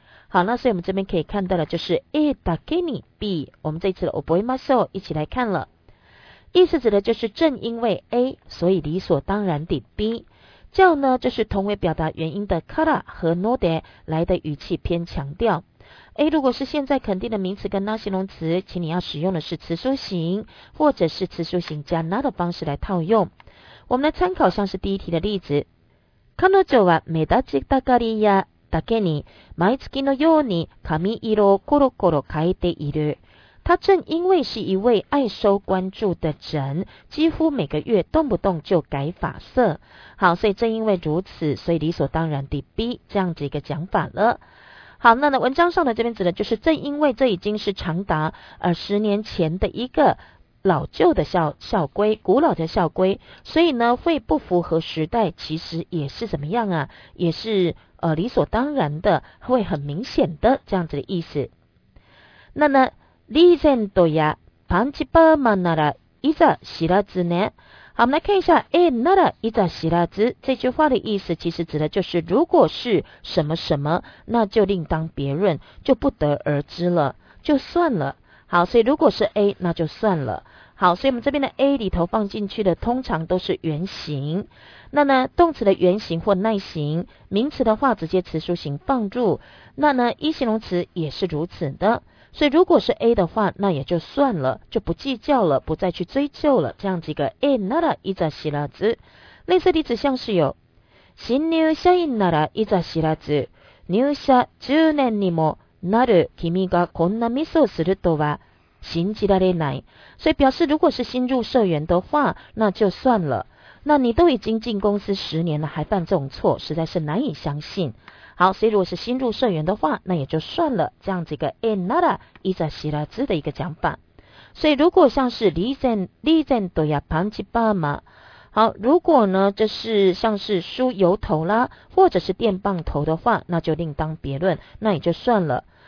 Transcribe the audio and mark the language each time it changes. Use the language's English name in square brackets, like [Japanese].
[Chinese] 好，那所以我们这边可以看到的就是 A だけに B， 我们这次的覚えましょう一起来看了，意思指的就是正因为 A， 所以理所当然的 B。叫呢就是同为表达原因的 から 和 ので 来的语气偏强调。 A 如果是现在肯定的名词跟那形容词，请你要使用的是词书形或者是词书形加那的方式来套用。我们来参考像是第一题的例子， [Japanese] 彼女は目立ちたがり屋だけに毎月のように髪色をコロコロ変えている。 [Chinese] 她正因为是一位爱收关注的人，几乎每个月动不动就改发色。好，所以正因为如此，所以理所当然地 B 这样子一个讲法了。好，那呢文章上的这边指的就是正因为这已经是长达十年前的一个老旧的校规，古老的校规，所以呢会不符合时代，其实也是怎么样啊，也是理所当然的，会很明显的这样子的意思。那呢 [Japanese] リーゼントやパンチパーマならいざ知らずね。 [Chinese] 好，我们来看一下 A ならいざ知らず这句话的意思，其实指的就是如果是什么什么，那就另当别论，就不得而知了，就算了。好，所以如果是 A 那就算了。好，所以我们这边的 A 里头放进去的通常都是原形，那呢动词的原形或内形，名词的话直接词书形放入，那呢一形容词也是如此的。所以如果是 A 的话，那也就算了，就不计较了，不再去追究了，这样几个 A ならいざ知らず。类似例子像是有 [Japanese] 新入社員ならいざ知らず入社10年にもなる君がこんなミスをするとは信じられない。 [Chinese] 所以表示如果是新入社员的话，那就算了。那你都已经进公司十年了，还犯这种错，实在是难以相信。好，所以如果是新入社员的话，那也就算了。这样子一个 [Japanese] えなら、いざ知らず [Chinese] 的一个讲法。所以如果像是リゼントやパンチパーマ，好，如果呢这是像是梳油头啦，或者是电棒头的话，那就另当别论，那也就算了。